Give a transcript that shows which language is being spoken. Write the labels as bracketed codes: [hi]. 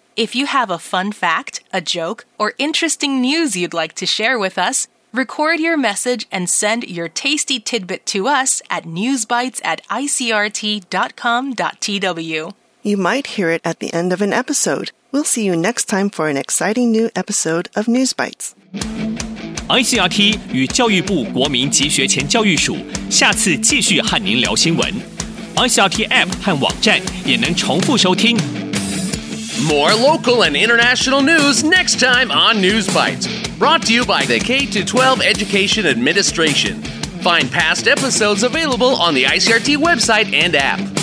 [en] If you have a fun fact, a joke, or interesting news you'd like to share with us, record your message and send your tasty tidbit to us at newsbites@icrt.com.tw. You might hear it at the end of an episode. We'll see you next time for an exciting new episode of News Bites. [zh] ICRT 与教育部国民及学前教育署下次继续和您聊新闻。 ICRT App 和网站也能重复收听。 [en] More local and international news next time on News Bites. Brought to you by the K-12 Education Administration. Find past episodes available on the ICRT website and app.